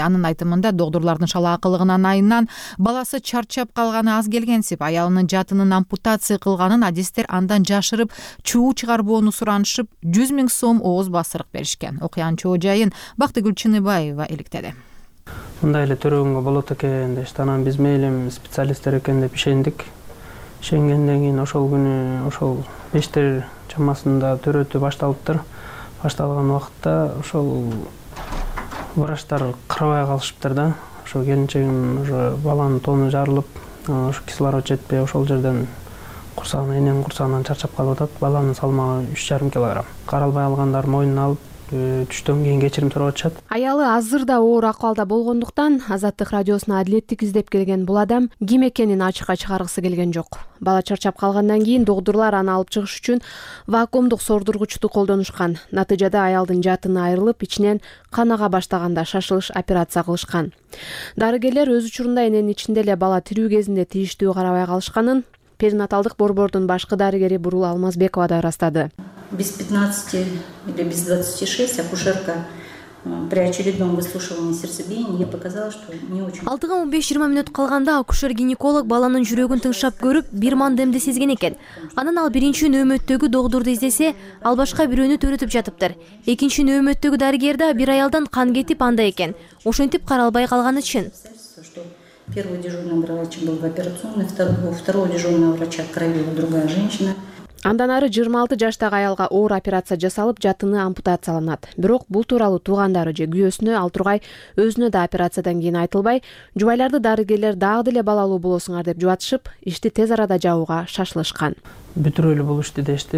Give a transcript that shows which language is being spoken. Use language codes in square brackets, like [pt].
[ky] Анын айтымында доктурлардын шалаакылыгынан айынан баласы чарчап калганы аз келгенсип, аялынын жатынын ампутация кылганын адистер андан жашырып, чуу чыгарбоону суранышып, 100 000 сом ооз басырык беришкен. Окуянын чоо жайын Бактыгүл Чыныбаева иликтеди. Мындай эле төрөгөнгө болот экен дешти. Анан биз мейли специалисттер экен деп ишендик. Ишенгенден кийин ошол күнү ошол бештер чамасында төрөтү башталыптыр. Башталган убакытта ошол врачтар карабай калышыптыр да. Ошо келинчегим уже баланын тону жарылып, ошо кислород жетпей ошол жерден курсагына, эненин курсагынан чарчап калып атат. Баланын салмагы 3.5 kg. Каралбай алгандар мойнуна алып түштөн кийин кечирим сурап атышат. Аялы азыр да оор акыбалда болгондуктан Азаттык радиосуна адилеттик издеп келген бул адам ким экенин ачыкка чыгаргысы келген жок. Бала чарчап калгандан кийин доктурлар аны алып чыгыш үчүн вакуумдук сордургучту колдонушкан. Натыйжада аялдын жатыны айрылып, ичинен кан ага баштаганда шашылыш операция кылышкан. Дарыгерлер өз учурунда эненин ичинде эле бала тирүү кезинде тийиштүү карабай калышканын перинаталдык борбордун башкы дарыгери Бурул Алмазбекова да ырастады. [ru] Без 15 или без 26 акушерка при очередном выслушивании сердцебиения показала, что не очень. [ky] 6:15 калганда акушер-гинеколог баланын жүрөгүн тыңшап көрүп, бир мандемди сезген экен. Анан ал биринчи нөөмөттөгү доктурду издесе, ал башка бирөөнү төрөтүп жатыптыр. Экинчи нөөмөттөгү дарыгер да бир аялдан кан кетип анда экен. Ошентип каралбай калганы чын. [ru] Первый дежурный врач был в операционной, второго дежурного врача крови была другая женщина. [ky] Андан ары 26 жаштагы аялга оор операция жасалып, жатыны ампутацияланат. Бирок бул тууралуу туугандары же күйөөсүнө, ал тургай өзүнө да операциядан кийин айтылбай, жубайларды дарыгерлер дагы деле балалуу болосуңар деп жубатышып, ишти тез арада жабууга шашылышкан. Бүтүрөө эле бул ишти дешти.